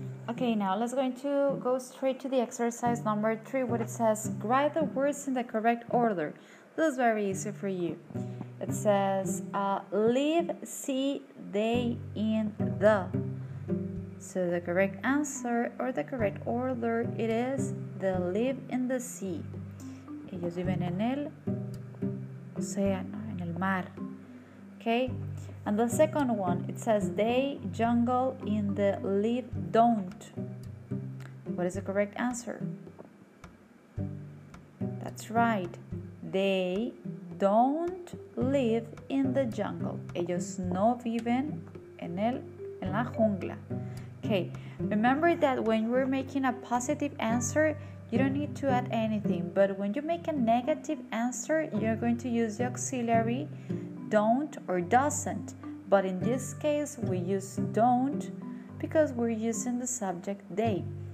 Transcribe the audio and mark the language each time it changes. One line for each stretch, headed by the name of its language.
English: Okay, now let's going to go straight to the exercise number 3, what it says, write the words in the correct order. This is very easy for you. It says, live, see, they, in, the. So the correct answer or the correct order, it is the live in the sea.
Spanish: Ellos viven en el océano, en el mar.
English: Okay? And the second one, it says they, jungle, in the live, don't. What is the correct answer? That's right. They don't live in the jungle.
Spanish: Ellos no viven en el en la jungla.
English: Okay, remember that when we're making a positive answer, you don't need to add anything. But when you make a negative answer, you're going to use the auxiliary don't or doesn't. But in this case, we use don't because we're using the subject they.